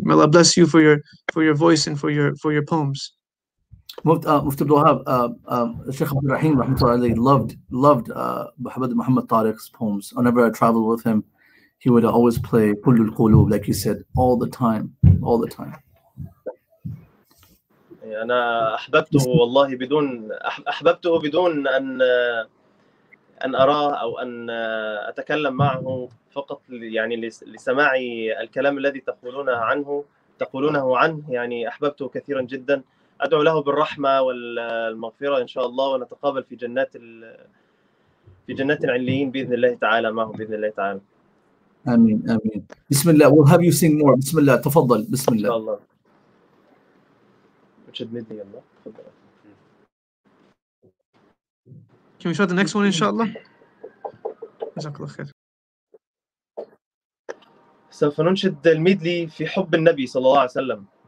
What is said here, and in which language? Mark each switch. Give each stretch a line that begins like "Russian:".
English: May Allah bless you for your voice and for your poems. Muftaah Abdul-Wahhab, Shaykh Abdul Raheem, rahmatullahi, loved Muhammad Tariq's poems. Whenever I traveled with him, he would always play Kullul Qulub, like he said, all the time.
Arabic: أنا أحببته والله بدون أحببته بدون أن أراه أو أن أتكلم معه فقط يعني لسماع الكلام الذي تقولونه عنه يعني أحببته كثيرا جدا. أدعو له بالرحمة والمغفرة إن شاء الله ونتقابل في جنات العليين بإذن الله تعالى معه بإذن الله تعالى. آمين آمين. بسم الله.
English: We'll have you sing more.
Arabic: بسم الله. تفضل. بسم الله. إن شاء الله. وتشدني يلا. تفضل.
English: Can we show the next one إن شاء الله؟
Arabic: جزاك الله خير. سوف ننشد الميدلي في حب النبي صلى الله عليه وسلم.